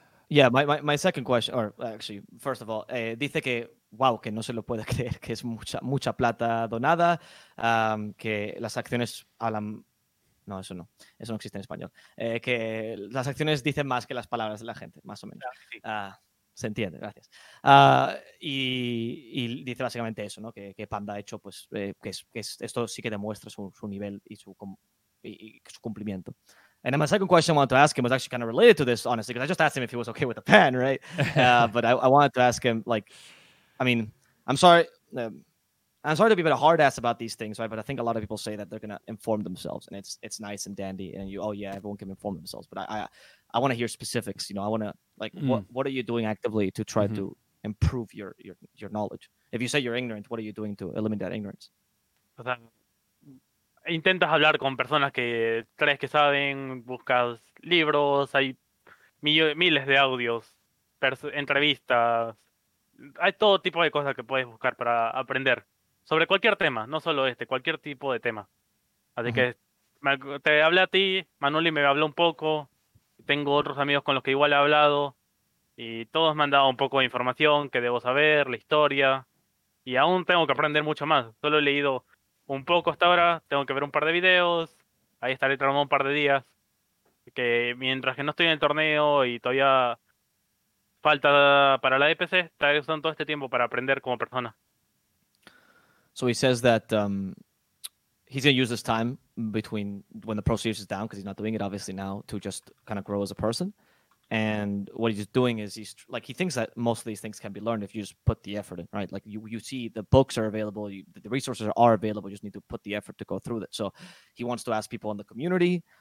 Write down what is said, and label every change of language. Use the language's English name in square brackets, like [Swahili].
[English] Yeah, my second question, or actually, first of all, dice [Spanish] que wow, que no se lo puede creer, que es mucha mucha plata donada, que las acciones hablan. No, eso no. Eso no existe en español. Que las acciones dicen más que las palabras de la gente, más o menos. Se entiende, gracias. Y dice básicamente eso, ¿no? Que Panda ha hecho, pues, que es, esto sí que demuestra su nivel y su cumplimiento. [English] And then my second question I wanted to ask him was actually kind of related to this, honestly, because I just asked him if he was okay with the pen, right? but I wanted to ask him, like, I mean, I'm sorry to be a bit hard ass about these things, right? But I think a lot of people say that they're going to inform themselves, and it's nice and dandy, and everyone can inform themselves. But I want to hear specifics. You know, I want to, like, what are you doing actively to try to improve your knowledge? If you say you're ignorant, what are you doing to eliminate that ignorance? [Spanish] Intentas hablar con personas que crees que saben, buscas libros, hay miles de audios, entrevistas, hay todo tipo de cosas que puedes buscar para aprender sobre cualquier tema, no solo este, cualquier tipo de tema. Así que te hablé a ti, Manuli me habló un poco, tengo otros amigos con los que igual he hablado y todos me han dado un poco de información que debo saber, la historia, y aún tengo que aprender mucho más, solo he leído un poco hasta ahora, tengo que ver un par de videos, ahí estaré trabajando un par de días, que mientras que no estoy en el torneo y todavía falta para la DPC, estaré usando todo este tiempo para aprender como persona. [English] So he says that he's going to use this time between when the Pro Series is down, because he's not doing it obviously now, to just kind of grow as a person. And what he's doing is he thinks that most of these things can be learned if you just put the effort in, right? Like you see the books are available, the resources are available, you just need to put the effort to go through it. So he wants to ask people in the community.